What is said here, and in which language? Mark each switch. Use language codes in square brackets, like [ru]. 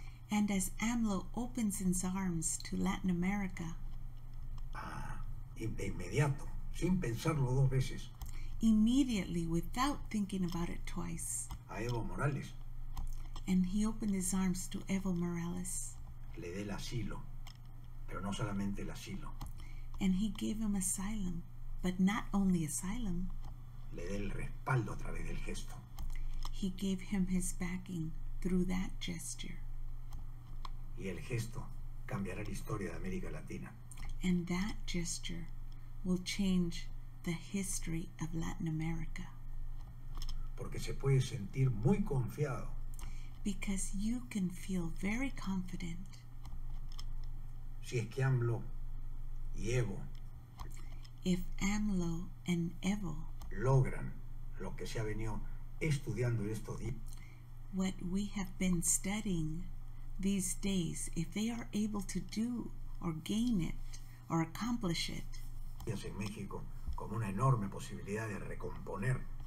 [en] And as AMLO opens his arms to Latin America, [es] de inmediato, sin pensarlo dos veces, [en] immediately, without thinking about it twice, [es] a Evo Morales, [en] and he opened his arms to Evo Morales, [es] le dé el asilo, pero no solamente el asilo, [en] and he gave him asylum, but not only asylum, [es] le dé el respaldo a través del gesto, [en] he gave him his backing through that gesture. [es] Y el gesto cambiará la historia de América Latina. [en] And that gesture will change the history of Latin America. [es] Porque se puede sentir muy confiado. [en] Because you can feel very confident. [es] Si es que AMLO y Evo, [en] if AMLO and Evo, [es] logran lo que se ha venido estudiando en estos días, [en] what we have been studying these days, if they are able to do or gain it or accomplish it, [es] en México, como una enorme posibilidad de recomponer,